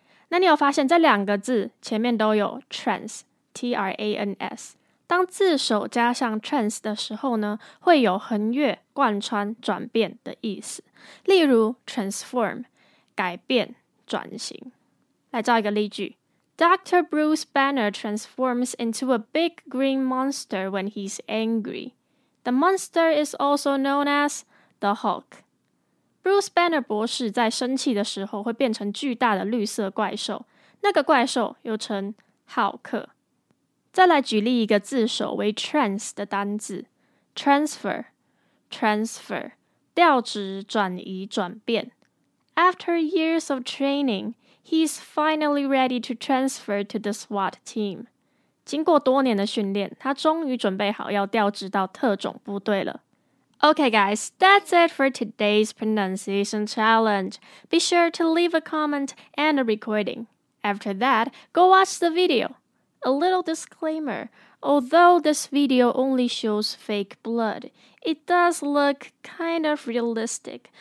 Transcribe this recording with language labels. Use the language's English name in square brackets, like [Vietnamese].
[Chinese] 那你有发现这两个字前面都有 trans, T-R-A-N-S，当字首加上 trans 的时候呢，会有横越、贯穿、转变的意思。例如 transform, 改变、转型。来造一个例句， Dr. [English] Bruce Banner transforms into a big green monster when he's angry. The monster is also known as the Hulk. [Chinese] Bruce Banner 博士在生气的时候会变成巨大的绿色怪兽，那个怪兽又称浩克。再来举例一个字首为 trans 的单字 transfer, transfer, 调职、转移、转变。 [English] After years of training, he's finally ready to transfer to the SWAT team. [Chinese] 经过多年的训练，他终于准备好要调职到特种部队了。 [English] Okay guys, that's it for today's pronunciation challenge. Be sure to leave a comment and a recording. After that, go watch the video. A little disclaimer, although this video only shows fake blood, it does look kind of realistic.